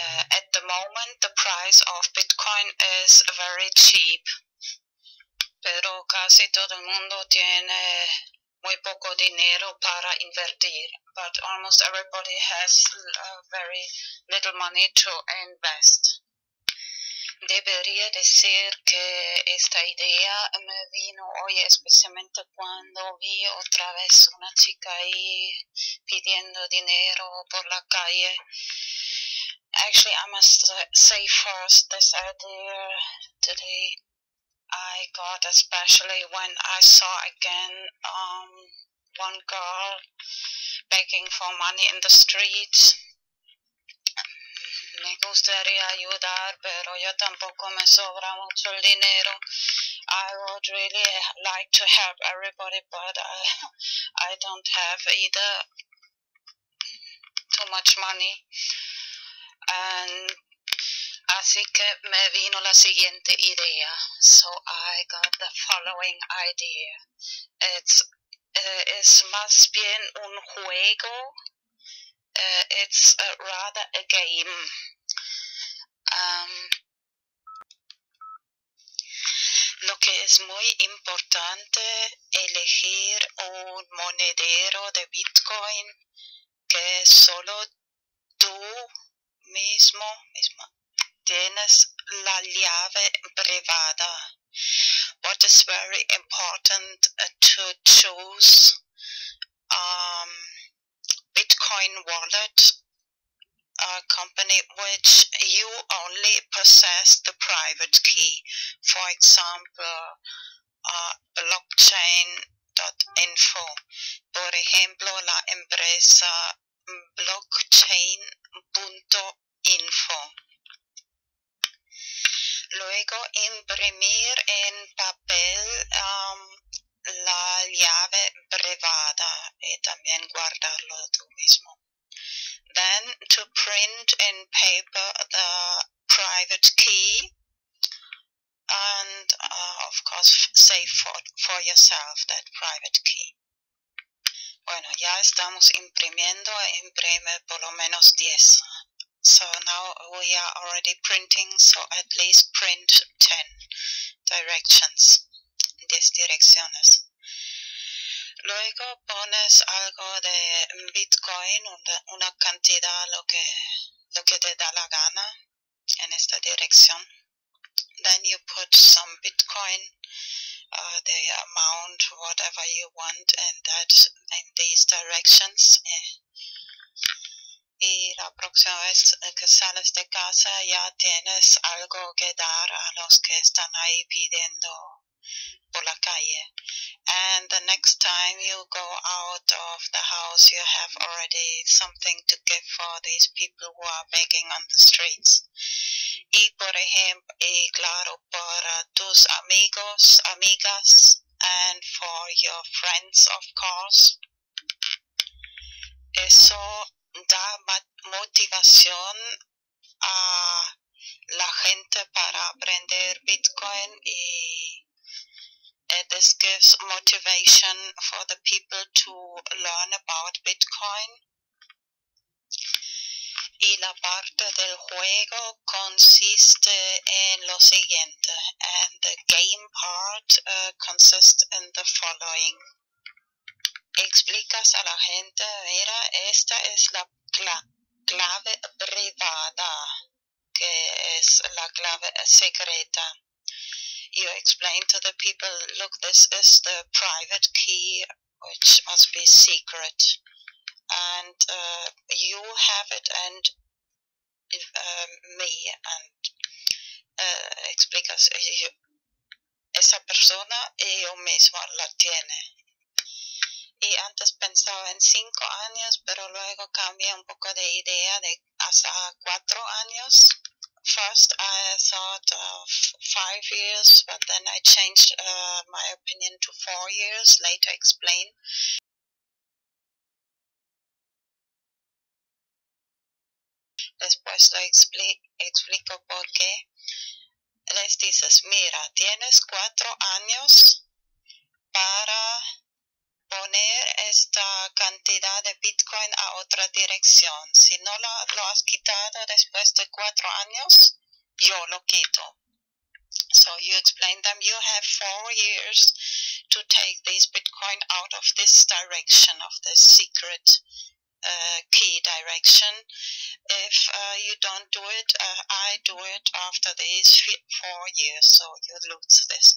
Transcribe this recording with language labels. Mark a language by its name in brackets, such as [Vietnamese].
[English] At the moment, the price of Bitcoin is very cheap. [Spanish] Pero casi todo el mundo tiene muy poco dinero para invertir. [English] But almost everybody has very little money to invest. [Spanish] Debería decir que esta idea me vino hoy especialmente cuando vi otra vez una chica ahí pidiendo dinero por la calle. [English] Actually, I must say first this idea today I got especially when I saw again one girl begging for money in the streets. [Spanish] Me gustaría ayudar, pero yo tampoco me sobra mucho el dinero. [English] I would really like to help everybody, but I don't have either too much money. And [Spanish] así que me vino la siguiente idea. [English] So I got the following idea. It's [Spanish] más bien un juego. [English] It's rather a game. [Spanish] Lo que es muy importante elegir un monedero de Bitcoin que solo tú mismo tienes la llave privada. [English] What is very important to choose Bitcoin wallet, a company which you only possess the private key. For example, blockchain.com. [Spanish] crypto.info. Por ejemplo, la empresa blockchain.info. Luego, imprimir en papel la llave privada y también guardarlo tú mismo. [English] Then, to print in paper the private key. And, of course, save for yourself that private key. [Spanish] Bueno, ya estamos imprimiendo. Imprime por lo menos 10. [English] So now we are already printing, so at least print 10 directions, [Spanish] 10 direcciones. Luego pones algo de Bitcoin, una cantidad, lo que te da la gana en esta dirección. [English] Then you put some Bitcoin, the amount, whatever you want, and that in these directions. [Spanish] Y la próxima vez que sales de casa ya tienes algo que dar a los que están ahí pidiendo por la calle. [English] And the next time you go out of the house, you have already something to give for these people who are begging on the streets. [Spanish] Y por ejemplo, y claro, para tus amigos, amigas, [English] and for your friends, of course. [Spanish] Eso da motivación a la gente para aprender Bitcoin y [English] this gives motivation for the people to learn about Bitcoin. [Spanish] Y la parte del juego consiste en lo siguiente. [English] And the game part consists in the following. [Spanish] Explicas a la gente, mira, esta es la clave privada, que es la clave secreta. [English] You explain to the people, look, this is the private key, which must be secret. And you have it and me. And [Spanish] explicas, esa persona y yo mismo la tiene. Y antes pensaba en 5 años, pero luego cambié un poco de idea de hasta 4 años. [English] First, I thought of 5 years, but then I changed my opinion to 4 years, later explain. [Spanish] Después lo explico por qué. Les dices, mira, tienes 4 años para poner esta cantidad de Bitcoin a otra dirección. Si no lo has quitado después de 4 años, yo lo quito. [English] So you explain them, you have 4 years to take this Bitcoin out of this direction, of this secret key direction. If you don't do it, I do it after these 4 years, so you lose this.